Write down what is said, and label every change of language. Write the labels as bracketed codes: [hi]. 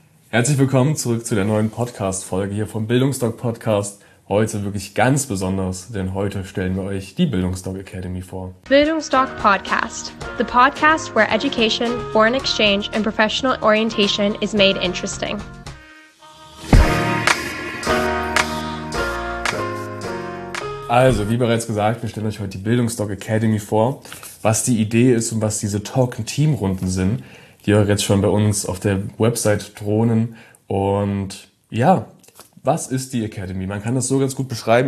[de] Herzlich willkommen zurück zu der neuen Podcast-Folge hier vom Bildungsstock Podcast. Heute wirklich ganz besonders, denn heute stellen wir euch die Bildungsstock Academy vor. [en] Bildungsstock Podcast, the podcast where education, foreign exchange, and professional orientation is made interesting. [de] Also, wie bereits gesagt, wir stellen euch heute die Bildungsstock Academy vor, was die Idee ist und was diese Talk-Team-Runden sind, die euch jetzt schon bei uns auf der Website drohnen. Und ja, was ist die Academy? Man kann das so ganz gut beschreiben.